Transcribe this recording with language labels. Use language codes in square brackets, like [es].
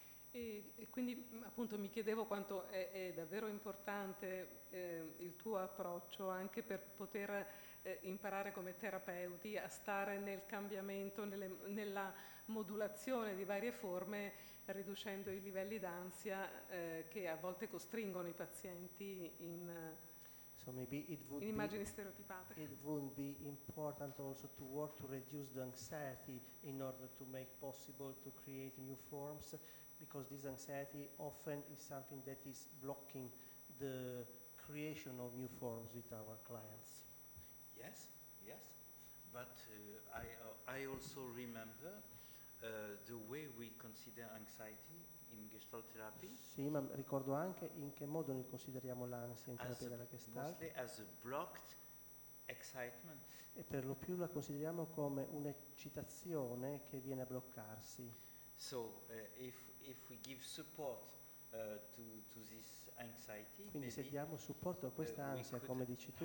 [it] E quindi appunto mi chiedevo quanto è davvero importante il tuo approccio anche per poter imparare come terapeuti a stare nel cambiamento, nella modulazione di varie forme, riducendo i livelli d'ansia che a volte costringono i pazienti in, [en] so maybe it would [it] in immagini [en] be, [it] stereotipate. [en] It would be important also to work to reduce the anxiety in order to make possible to create new forms, because this anxiety often is something that is blocking the creation of new forms with our clients. Yes, but I also remember the way we consider anxiety in Gestalt therapy. [it] Sì, ma ricordo anche in che modo noi consideriamo l'ansia in terapia della Gestalt. [en] Mostly as a blocked excitement. [it] E per lo più la consideriamo come un'eccitazione che viene a bloccarsi. [en] So if we give support to this anxiety. [it] Quindi [en] maybe, [it] se diamo supporto a questa ansia, come dici tu,